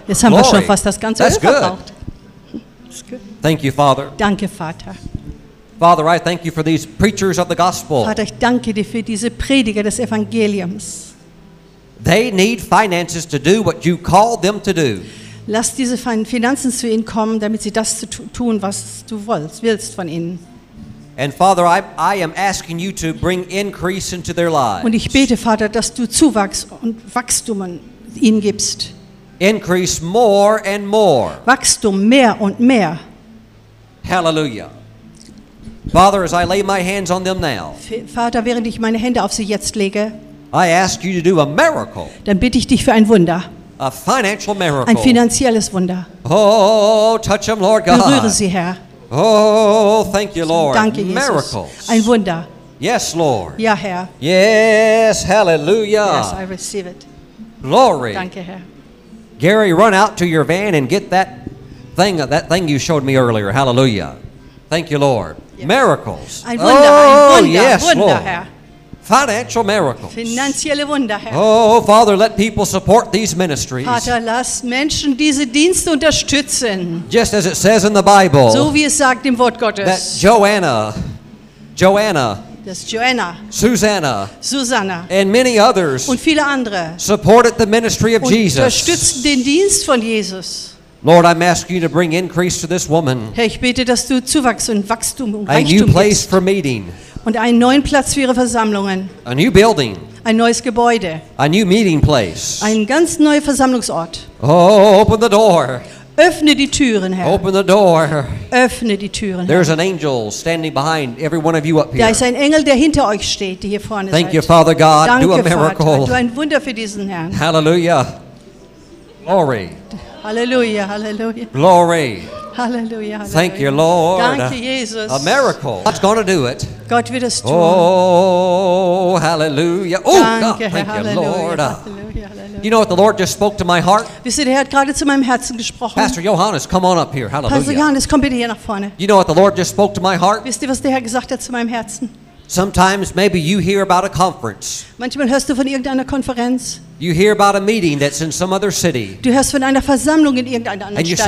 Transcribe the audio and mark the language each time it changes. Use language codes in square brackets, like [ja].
[de] Jetzt haben wir schon fast das ganze Öl verbraucht. [en] Thank you, Father. [de] Danke, Vater. [en] Father, I thank you for these preachers of the gospel. [de] Vater, ich danke dir für diese Prediger des Evangeliums. [en] They need finances to do what you called them to do. [de] Lass diese Finanzen zu ihnen kommen, damit sie das zu tun, was du willst von ihnen. [en] And Father, I am asking you to bring increase into their lives. [de] Und ich bete, Vater, dass du Zuwachs und Wachstum ihnen gibst. [en] Increase more and more. [de] Wachstum mehr und mehr. [en] Hallelujah. Father, as I lay my hands on them now. [de] Vater, während ich meine Hände auf sie jetzt lege. [en] I ask you to do a miracle. [de] Dann bitte ich dich für ein Wunder. [en] A financial miracle. [de] Ein finanzielles Wunder. [en] Oh, touch them, Lord God. [de] Berühre sie, Herr. [en] Oh, thank you, Lord. [de] Danke, Jesus. [en] Miracles. [de] Ein Wunder. [en] Yes, Lord. [de] Ja, Herr. [en] Yes, hallelujah. Yes, I receive it. Glory. [de] Danke, Herr. [en] Gary, run out to your van and get that thing you showed me earlier. Hallelujah. Thank you, Lord. Yes. Miracles. [de] Ein Wunder, oh, ein Wunder, [en] yes, [de] Wunder, [en] Lord. [de] Herr. [en] Financial miracles. [de] Finanzielle Wunder, Herr. [en] Oh, Father, let people support these ministries. [de] Vater, lass Menschen diese Dienste unterstützen. [en] Just as it says in the Bible. [de] So wie es sagt im Wort Gottes. [en] That Joanna. [de] Das Joanna. [en] Susanna. And many others. [de] Und viele andere. [en] Supported the ministry of Jesus. [de] Unterstützen den Dienst von Jesus. [en] Lord, I'm asking you to bring increase to this woman. [de] Herr, ich bete, dass du Zuwachs und Wachstum und Reichtum [en] gibst. A new place for meeting. [de] Und einen neuen Platz für ihre Versammlungen. [en] A new building. [de] Ein neues Gebäude. [en] A new meeting place. [de] Ein ganz neuer Versammlungsort. [en] Oh, open the door. [de] Öffne die Türen, Herr. [en] Open the door. [de] Öffne die Türen, Herr. [en] There's an angel standing behind every one of you up here. [de] Da ist ein Engel, der hinter euch steht, die hier vorne [en] Thank [de] seid. [en] Thank you, Father God. [de] Danke, [en] do a miracle. [de] Vater, du ein Wunder für diesen Herrn. [en] Hallelujah. Glory. Hallelujah, hallelujah. Glory. Hallelujah, hallelujah. Thank you, Lord. [de] Danke, Jesus. [en] A miracle. God's going to do it. [de] Gott wird es tun. [en] Oh, hallelujah. Oh, [de] Danke, [en] God. Thank hallelujah, you, Lord. Hallelujah, hallelujah. You know what the Lord just spoke to my heart? [de] Wisst ihr, der hat gerade zu meinem Herzen gesprochen. [en] Pastor Johannes, come on up here. Hallelujah. [de] Pastor Johannes, komm bitte hier nach vorne. [en] You know what the Lord just spoke to my heart? [de] Wisst ihr, was der Herr gesagt hat zu meinem Herzen? [en] Sometimes maybe you hear about a conference. [de] Manchmal hörst du von irgendeiner Konferenz. [en] You hear about a meeting that's in some other city. [de] Du hörst von einer Versammlung in irgendeiner anderen Stadt.